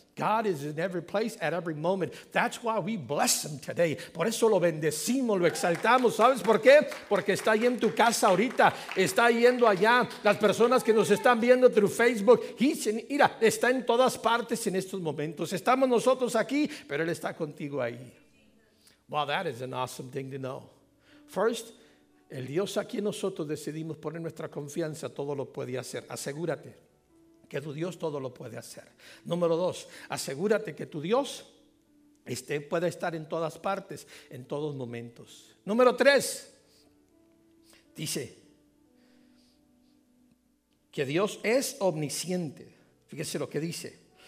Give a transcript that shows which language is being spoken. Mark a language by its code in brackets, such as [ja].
[en] God is in every place at every moment. That's why we bless him today. [es] Por eso lo bendecimos, lo exaltamos. ¿Sabes por qué? Porque está ahí en tu casa ahorita. Está yendo allá. Las personas que nos están viendo [en] through Facebook. [es] Mira, está en todas partes en estos momentos. Estamos nosotros aquí, pero él está contigo ahí. [en] Wow, that is an awesome thing to know. [es] First, el Dios a quien nosotros decidimos poner nuestra confianza todo lo puede hacer. Asegúrate que tu Dios todo lo puede hacer. Número dos, asegúrate que tu Dios pueda estar en todas partes, en todos momentos. Número tres, dice que Dios es omnisciente. Fíjese lo que dice.